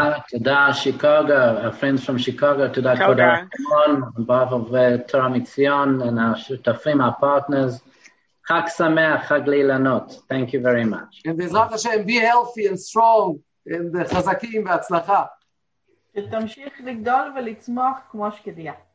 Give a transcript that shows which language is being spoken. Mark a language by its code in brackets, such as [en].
[he] תודה, שיקוגו, [en] our friends from Chicago, [he] תודה, כבוד הרמון, בבו ותורה מציון, [en] and our [he] שותפים, [en] our partners, [he] חג שמח, חג לילנות. [en] Thank you very much. And בעזרת השם, be healthy and strong, and [he] חזקים, בהצלחה. שתמשיך לגדול ולצמוח כמו שקדיה.